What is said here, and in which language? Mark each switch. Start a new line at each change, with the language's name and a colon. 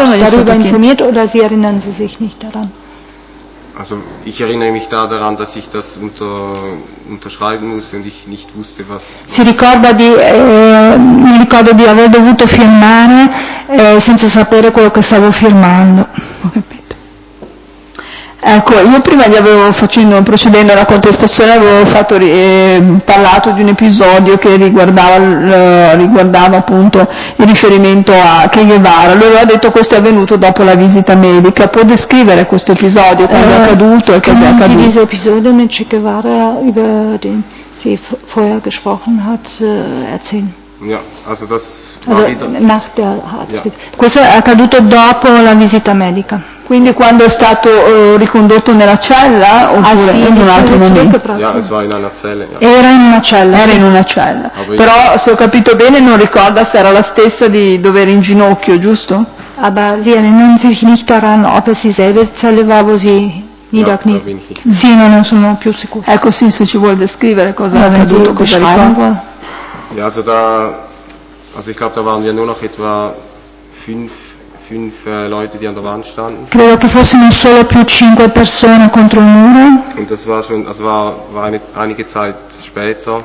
German: Sie erinnern Sie sich nicht daran? Also ich erinnere mich da daran, dass ich das unterschreiben musste und ich nicht wusste, was.
Italian: Si ricorda di mi ricordo di aver dovuto firmare senza sapere quello che stavo firmando. Ho capito. Ecco, io prima gli avevo procedendo alla contestazione avevo fatto parlato di un episodio che riguardava appunto il riferimento a Che Guevara. Lui aveva detto questo è avvenuto dopo la visita medica. Può descrivere questo episodio, quando è accaduto e cosa è accaduto?
German: Dieser Episode mit Che Guevara, über den sie vorher gesprochen hat, erzählen. Ja, also das also war wieder, nach der Arztbesuch. Ja.
Italian: Questo è accaduto dopo la visita medica. Quindi quando è stato ricondotto nella cella oppure ah, sì, in un altro momento? Era in una cella. Era in una cella. Però se ho capito bene non ricorda se era la stessa di dove era in ginocchio, giusto?
German: Aber sie erinnern sich nicht daran, ob es dieselbe Zelle war, wo sie niederknie.
Italian: Sì, non ne sono più sicuro. Ecco, sì, se ci vuole descrivere cosa è accaduto, cosa ricorda.
German: Ja, also da, also ich glaube, da waren wir nur noch etwa fünf Leute, die an der Wand standen.
Italian: Credo che fossimo solo più cinque persone contro il muro.
German: Und das war schon, also war einige Zeit später.